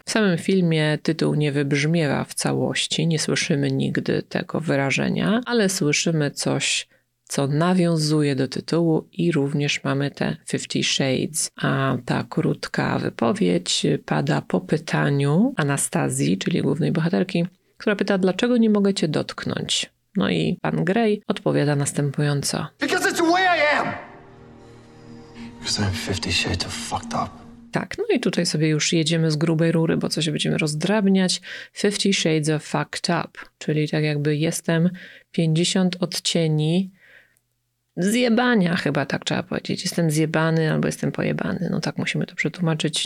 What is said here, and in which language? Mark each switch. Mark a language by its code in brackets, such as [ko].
[pl] W samym filmie tytuł nie wybrzmiewa w całości, nie słyszymy nigdy tego wyrażenia, ale słyszymy coś, co nawiązuje do tytułu i również mamy te 50 Shades. A ta krótka wypowiedź pada po pytaniu Anastazji, czyli głównej bohaterki, która pyta, dlaczego nie mogę cię dotknąć. No i pan Grey odpowiada następująco. [en] Because it's the way I am! Because I'm 50 shades of fucked up. [pl] Tak, no i tutaj sobie już jedziemy z grubej rury, bo coś będziemy rozdrabniać. [en] 50 shades of fucked up. [pl] Czyli tak jakby jestem 50 odcieni zjebania, chyba tak trzeba powiedzieć. Jestem zjebany albo jestem pojebany. No tak musimy to przetłumaczyć.